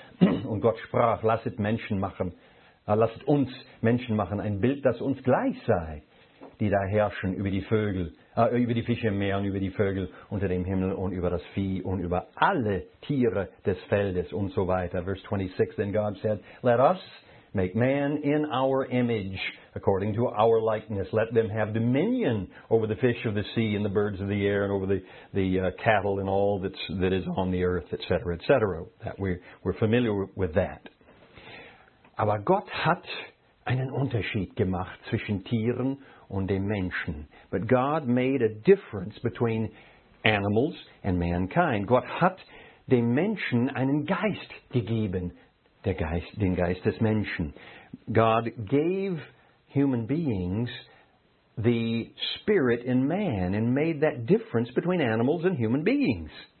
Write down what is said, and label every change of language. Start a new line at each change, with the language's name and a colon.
German: Und Gott sprach, lasset uns Menschen machen ein Bild, das uns gleich sei, die da herrschen über die Vögel, über die Fische im Meer und über die Vögel unter dem Himmel und über das Vieh und über alle Tiere des Feldes und so weiter.
English: Verse 26, then God said, let us make man in our image, according to our likeness. Let them have dominion over the fish of the sea and the birds of the air and over the cattle and all that is on the earth, etc., etc. That we're familiar with that.
German: Aber Gott hat einen Unterschied gemacht zwischen Tieren und dem Menschen.
English: But God made a difference between animals and mankind.
German: Gott hat dem Menschen einen Geist gegeben, den Geist des Menschen.
English: God gave human beings the spirit in man and made that difference between animals and human beings.